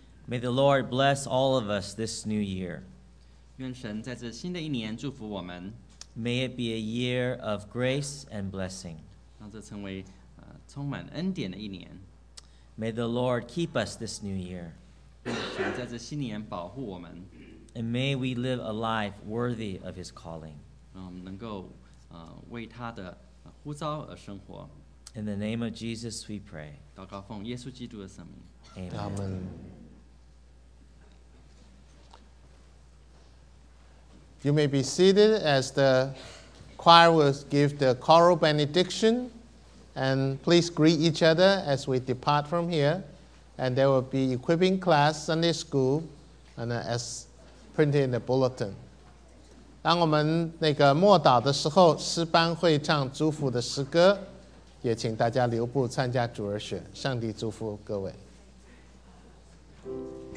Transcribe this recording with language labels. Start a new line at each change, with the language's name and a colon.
English: May the Lord bless all of us this new year.
Chinese: 愿神在这新的一年祝福我们。
English: May it be a year of grace and blessing.
Chinese: 让这成为充满恩典的一年。
English: May the Lord keep us this new year.
Chinese: 愿神在这新年保护我们。
English: And may we live a life worthy of His calling.
Chinese: 让我们能够为他的呼召而生活。
English: In the name of Jesus, we pray.
Chinese: 祷告奉耶稣基督的圣名。
English: Amen.
Chinese: 阿们。
English: You may be seated as the choir will give the choral benediction, and please greet each other as we depart from here. And there will be equipping class Sunday school, and as printed in the bulletin.
Chinese: 当我们那个默祷的时候，诗班会唱祝福的诗歌。也请大家留步参加主日学，上帝祝福各位。